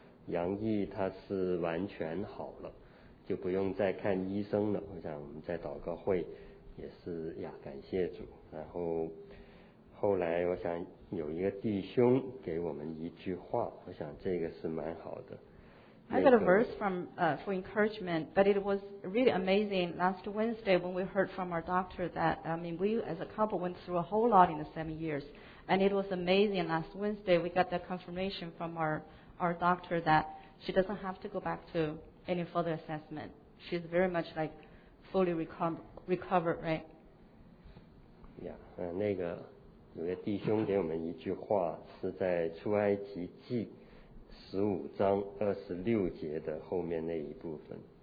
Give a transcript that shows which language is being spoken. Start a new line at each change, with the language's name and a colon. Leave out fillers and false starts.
Chinese: 杨毅他是完全好了，就不用再看医生了。我想我们再祷个会，也是呀，感谢主。然后后来我想有一个弟兄给我们一句话，我想这个是蛮好的。
English: I got a verse from for encouragement, but it was really amazing last Wednesday when we heard from our doctor that I mean we as a couple went through a whole lot in the 7 years, and it was amazing last Wednesday we got the confirmation from our doctor that she doesn't have to go back to any further assessment. She's very much like fully recovered, right?
Chinese: Yeah, 那个有个弟兄给我们一句话，是在出埃及记15:26的后面那一部分。